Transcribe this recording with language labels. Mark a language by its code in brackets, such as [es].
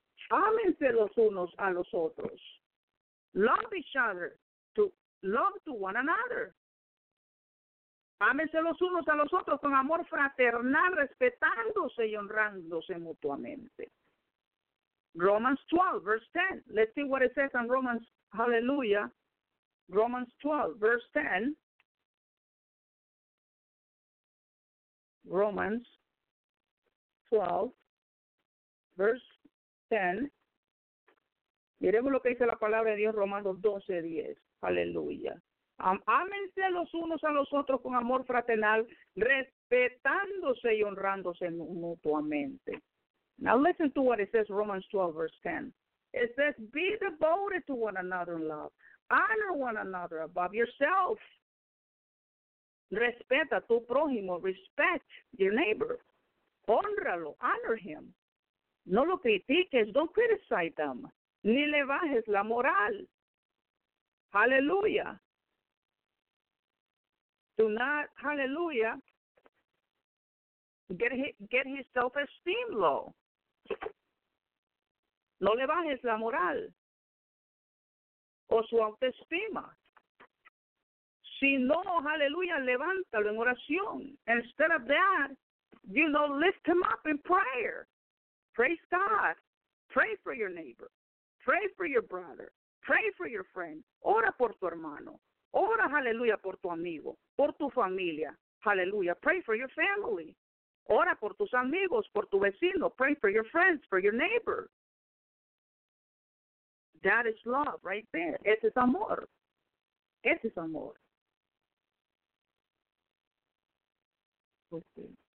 [es] Ámense los unos a los otros. [en] Love each other. To love to one another. [es] Ámense los unos a los otros con amor fraternal, respetándose y honrándose mutuamente. [en] Romans 12, verse 10. Let's see what it says in Romans, hallelujah. Romans 12, verse 10. Romans 12, verse 10. [es] Miremos lo que dice la palabra de Dios, Romanos 12, 10. Hallelujah. Ámense los unos a los otros con amor fraternal, respetándose y honrándose mutuamente. [en] Now listen to what it says, Romans 12, verse 10. It says, be devoted to one another in love. Honor one another above yourself. [es] Respeta tu prójimo. [en] Respect your neighbor. [es] Honralo. [en] Honor him. [es] No lo critiques. [en] Don't criticize them. [es] Ni le bajes la moral. Hallelujah. [en] Do not, hallelujah, get his self-esteem low. [es] No le bajes la moral o su autoestima. Si no, aleluya, levántalo en oración. [en] Instead of that, you know, lift him up in prayer. Praise God. Pray for your neighbor. Pray for your brother. Pray for your friend. [es] Ora por tu hermano. Ora, aleluya, por tu amigo, por tu familia. Aleluya. [en] Pray for your family. [es] Ora por tus amigos, por tu vecino. [en] Pray for your friends, for your neighbor. That is love right there. [es] Ese es amor. Ese es amor. [en] Okay.